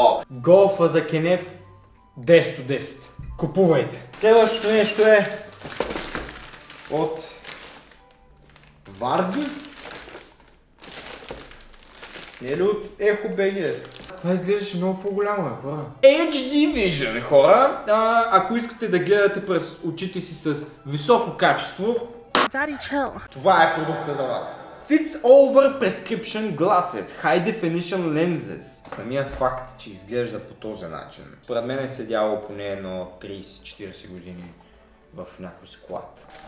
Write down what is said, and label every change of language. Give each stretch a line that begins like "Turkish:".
Bulgarian: Голфа за Кенеф 10 от 10. Купувайте. Следващото нещо е от Варди. Не ли от Ехо БГ? Това изглеждаше много по-голямо, хора. HD Vision, хора. Ако искате да гледате през очите си с високо качество,
English: Daddy, chill.
Bulgarian: Това е продукта за вас.
English: Fits over prescription glasses, high definition lenses.
Bulgarian: Самия факт, че изглежда по този начин. Според мен е седяло поне едно 30-40 години в някой склад.